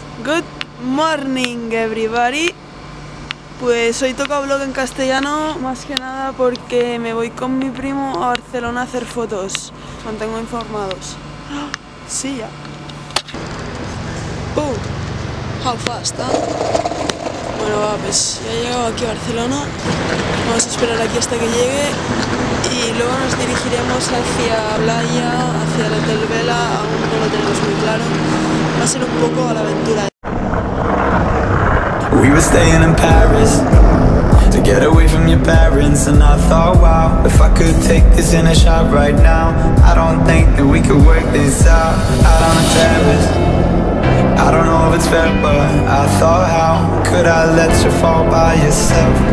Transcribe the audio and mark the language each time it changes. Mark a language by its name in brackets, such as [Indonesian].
[English] Good morning, everybody. [Spanish] Pues hoy toca vlog en castellano, más que nada porque me voy con mi primo a Barcelona a hacer fotos. Os mantengo informados. Sí, ya. [English] How fast, [Spanish] ¿eh? Bueno, va, pues ya he llegado aquí a Barcelona. Vamos a esperar aquí hasta que llegue. Y luego nos dirigiremos hacia playa, hacia el hotel Vela. Aún no lo tenemos muy claro. Va a ser un poco a la aventura. [English] We were staying in Paris to get away from your parents, and I thought, wow, if I could take this in a shot right now, I don't think that we could work this out. Out on a terrace, I don't know if it's fair, but I thought, how could I let you fall by yourself?